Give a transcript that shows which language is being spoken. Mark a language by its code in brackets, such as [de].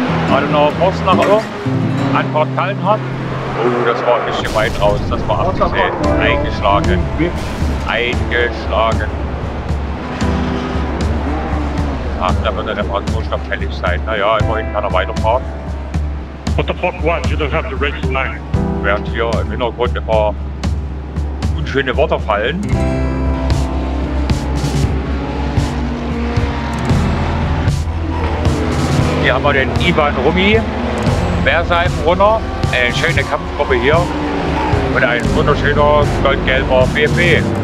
[de] Adenauer Forst nach oben. Antwort Kallenhardt. Oh, das war ein bisschen weit raus, das war abgesehen. Eingeschlagen. Eingeschlagen. Ach, da wird er der Fahrtwurst noch fällig sein. Naja, immerhin kann er weiterfahren. [en] What the fuck, what? You don't have the registered line. [de] Während hier im Hintergrund ein paar unschöne Worte fallen. Hier haben wir den Ivan Rumi, Bersheim-Runner. Eine schöne Kampfgruppe hier und ein wunderschöner goldgelber BMW.